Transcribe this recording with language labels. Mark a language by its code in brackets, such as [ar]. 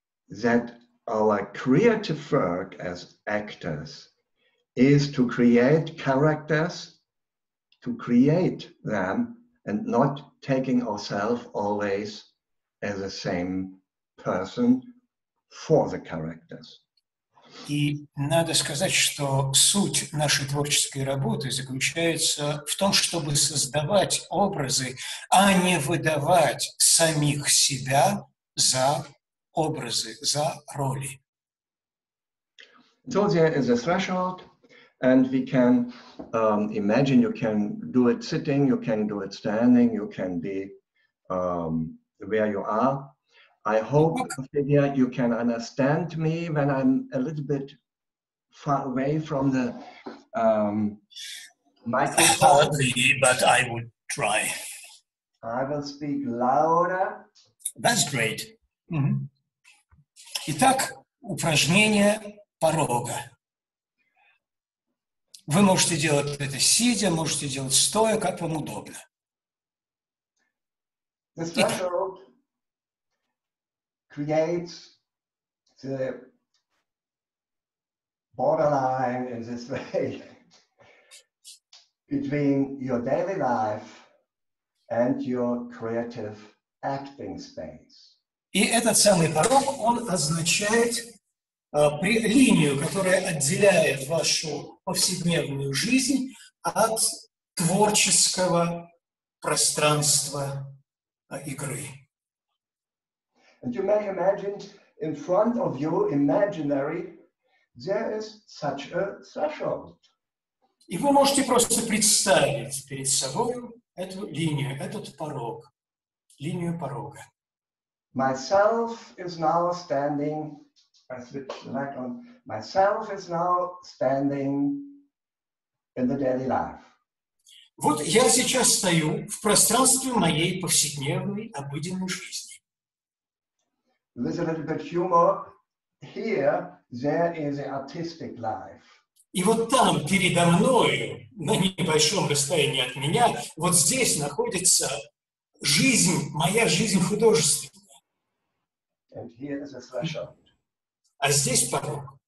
[en] That our creative work as actors is to create characters, to create them, and not taking ourselves always as the same person for the characters. [ru] И надо сказать, что суть нашей творческой работы заключается в том, чтобы создавать образы, а не выдавать самих себя за образы, за роли. [en] So there is a threshold, and we can imagine you can do it sitting, you can do it standing, you can be where you are. I hope, Ophelia, you can understand me when I'm a little bit far away from the microphone. Hardly, but I would try. I will speak louder. That's great. Mm-hmm. [ru] Итак, упражнение порога. Вы можете делать это сидя, можете делать стоя, как вам удобно. [en] The threshold creates the borderline in this way between your daily life and your creative acting space. [ru] И этот самый порог, он означает линию, которая отделяет вашу повседневную жизнь от творческого пространства игры. [en] And you may imagine in front of you, imaginary, there is such a threshold. [ru] И вы можете просто представить перед собой эту линию, этот порог, линию порога. [en] Myself is now standing, I switch the light on, myself is now standing in the daily life. [ru] Вот я сейчас стою в пространстве моей повседневной, обыденной жизни. [en] With a little bit of humor, here, there is an artistic life. [ru] И вот там, передо мною, на небольшом расстоянии от меня, вот здесь находится жизнь, моя жизнь художественная. [en] And here is a threshold. [ru] А здесь порог.